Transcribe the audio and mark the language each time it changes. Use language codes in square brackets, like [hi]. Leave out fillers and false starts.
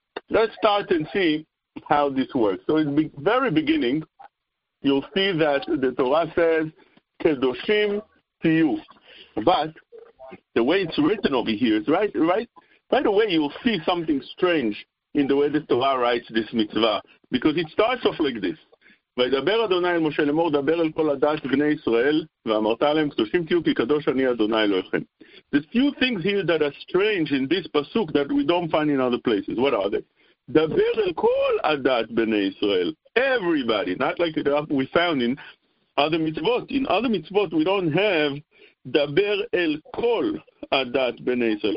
[en] Let's start and see how this works. So in the very beginning, you'll see that the Torah says, Kedoshim to you. But the way it's written over here is right. By the way, you'll see something strange in the way the Torah writes this mitzvah, because it starts off like this. [he] וידבר אדוני אל משה לאמור דבר אל כל הדעת בני ישראל ואמרת להם קדושים תהיו כי קדוש אני אדוני אלוהיכם. [en] There's few things here that are strange in this pasuk that we don't find in other places. What are they? [he] דבר אל כל הדעת בני ישראל. [en] Everybody. Not like we found in other mitzvot. In other mitzvot we don't have [he] דבר אל כל הדעת בני ישראל.